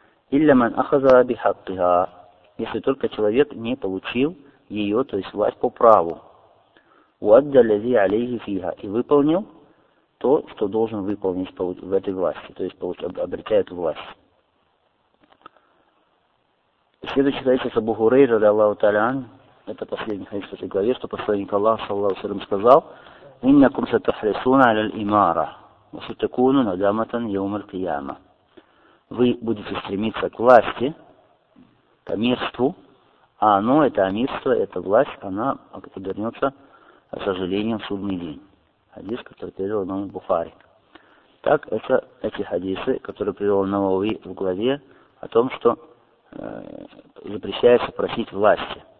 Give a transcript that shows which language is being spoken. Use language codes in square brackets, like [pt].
[ar] «Илля ман ахаза би хаттиха». [ru] Если только человек не получил ее, то есть власть по праву. [ar] وَأَدَّ الَّذِي عَلَيْهِ فِيهَا. [ru] И выполнил то, что должен выполнить в этой власти, то есть обретя эту власть. Следующий хадис Абу Хурейра [ar] رضي الله تعالى عنه, [ru] это последний хадис в этой главе, что посланник Аллаха [ar] صلى الله عليه وسلم [ru] сказал: [ar] إِنَّكُمْ سَتَحْرِصُونَ عَلَى الْإِمَارَةِ وَسَتَكُونُ نَدَامَةً يَوْمَ الْقِيَامَةِ. [ru] Вы будете стремиться к власти, амирству, а оно, это амирство, эта власть, она обернется сожалением в судный день. Хадис, который привел нам Бухари. Так, это эти хадисы, которые привел Навави в главе о том, что запрещается просить власти.